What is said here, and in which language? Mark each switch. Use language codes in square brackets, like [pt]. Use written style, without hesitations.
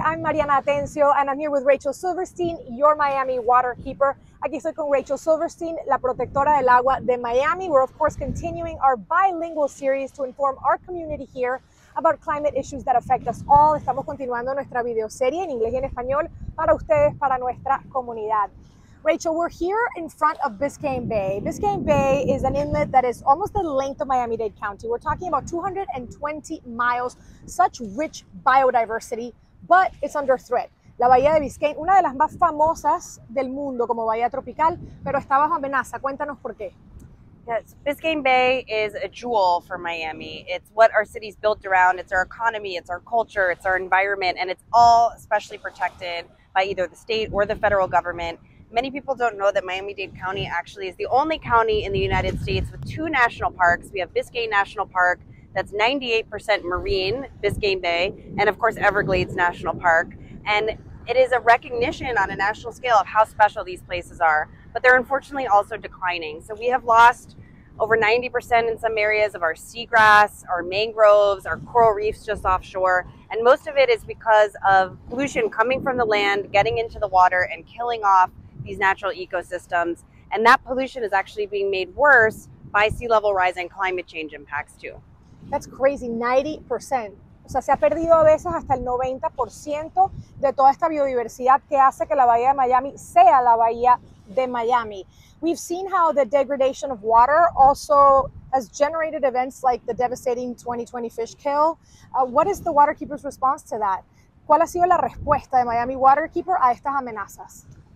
[en] I'm Mariana Atencio, and I'm here with Rachel Silverstein, your Miami water keeper. [es] Aquí estoy con Rachel Silverstein, la protectora del agua de Miami. [en] We're, of course, continuing our bilingual series to inform our community here about climate issues that affect us all. [es] Estamos continuando nuestra videoserie en inglés y en español para ustedes, para nuestra comunidad. [en] Rachel, we're here in front of Biscayne Bay. Biscayne Bay is an inlet that is almost the length of Miami-Dade County. We're talking about 220 miles, such rich biodiversity, but it's under threat. [es] La Bahía de Biscayne, una de las más famosas del mundo como bahía tropical, pero está bajo amenaza. Cuéntanos por qué. [en] Yes, Biscayne Bay is a jewel for Miami. It's what our city's built around. It's our economy, it's our culture, it's our environment, and it's all specially protected by either the state or the federal government. Many people don't know that Miami-Dade County actually is the only county in the United States with two national parks. We have Biscayne National Park, that's 98% marine, Biscayne Bay, and of course Everglades National Park. And it is a recognition on a national scale of how special these places are, but they're unfortunately also declining. So we have lost over 90% in some areas of our seagrass, our mangroves, our coral reefs just offshore. And most of it is because of pollution coming from the land, getting into the water and killing off these natural ecosystems. And that pollution is actually being made worse by sea level rise and climate change impacts too. That's crazy, 90%. [es] O sea, se ha perdido a veces hasta el 90% de toda esta biodiversidad que hace que la Bahía de Miami sea la Bahía de Miami. [en] We've seen how the degradation of water also has generated events like the devastating 2020 fish kill. What is the waterkeeper's response to that? [es] ¿Cuál ha sido la respuesta de Miami Waterkeeper a estas amenazas?